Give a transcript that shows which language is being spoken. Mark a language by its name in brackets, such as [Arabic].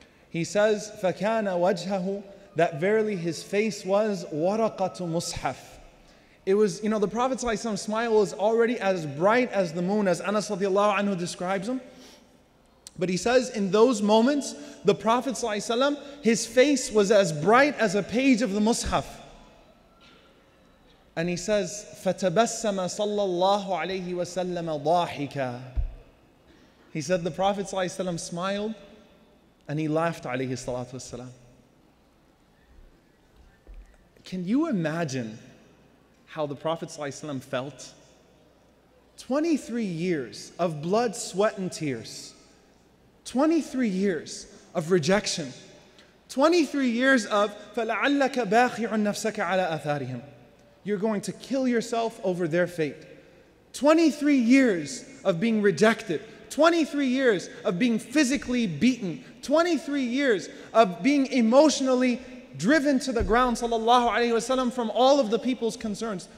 [English] He says, [Arabic] فَكَانَ وَجْهَهُ, [English] that verily his face was [Arabic] وَرَقَةُ مُصْحَفُ. [English] It was, you know, the Prophet sallallahu alaihi wasallam's smile was already as bright as the moon, as Anas radiallahu anhu describes him. But he says, in those moments, the Prophet ﷺ, his face was as bright as a page of the Mus'haf. And he says, [Arabic] فَتَبَسَّمَ صَلَّى اللَّهُ عَلَيْهِ وَسَلَّمَ ضَاحِكًا. [English] He said the Prophet ﷺ smiled and he laughed alayhi salatu wasalam. Can you imagine how the Prophet ﷺ felt? 23 years of blood, sweat, and tears. 23 years of rejection. 23 years of [Arabic] فَلَعَلَّكَ بَاخِعٌ نَفْسَكَ عَلَىٰ أَثَارِهِمْ. [English] You're going to kill yourself over their fate. 23 years of being rejected. 23 years of being physically beaten. 23 years of being emotionally driven to the ground, sallallahu alayhi wa sallam, from all of the people's concerns.